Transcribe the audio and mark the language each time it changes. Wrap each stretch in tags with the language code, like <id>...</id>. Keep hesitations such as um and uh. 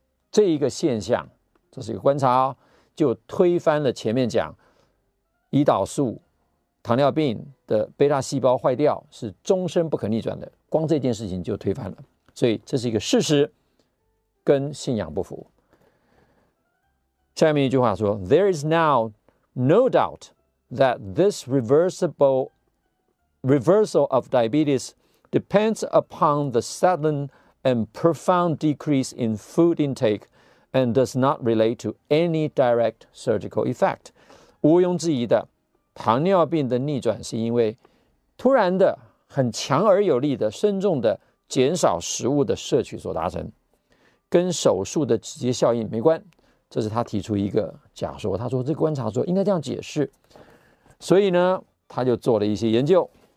<zh>这一个现象，这是一个观察，哦，就推翻了前面讲胰岛素糖尿病的贝塔细胞坏掉是终身不可逆转的。光这件事情就推翻了，所以这是一个事实，跟信仰不符。</zh> <en>下面一句话说：“There is now no doubt that this reversible reversal of diabetes depends upon the sudden and profound decrease in food intake, and does not relate to any direct surgical effect。</en> <zh>”毋庸置疑的，糖尿病的逆转是因为突然的、很强而有力的、深重的减少食物的摄取所达成。跟手术的直接效应没关，这是他提出一个假说，他说这观察说应该这样解释，所以呢，他就做了一些研究。</zh>